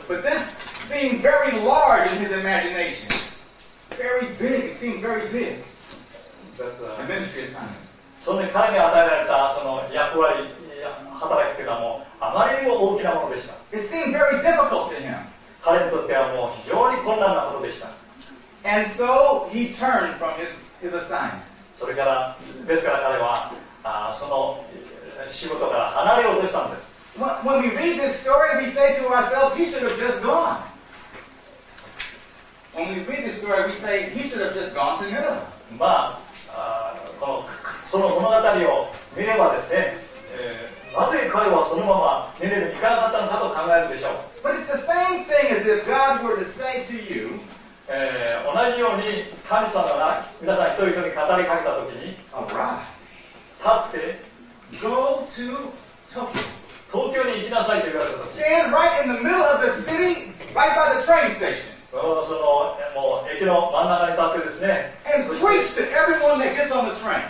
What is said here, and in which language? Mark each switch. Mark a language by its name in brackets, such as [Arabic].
[English] But this seemed very large in his imagination. Very big. It seemed very big. The ministry assignment. [Japanese] その彼に与えられたその役割、働きというのはもうあまりにも大きなものでした。 [English] It seemed very difficult to him. [Japanese] 彼にとってはもう非常に困難なことでした。 [English] And so he turned from his assignment. [Japanese] それから、ですから彼はその仕事から離れようとしたんです。 [English] When we read this story, we say to ourselves, he should have just gone. When we read this story, we say, he should have just gone to Nineveh. [Japanese] まあ、その物語を見ればですね、なぜ彼はそのままネネに行かなかったのかと考えるでしょう。 [English] But it's the same thing as if God were to say to you, [Japanese] 同じように神様が皆さん一人一人に語りかけたときに、 [English] Arise. [Japanese] 立って、 [English] Go to Tokyo. [Japanese] 東京に行きなさいと言われたとき、 [English] Stand right in the middle of the city, right by the train station. [Japanese] その、もう駅の真ん中に立ってですね、 [English] And preach to everyone that gets on the train.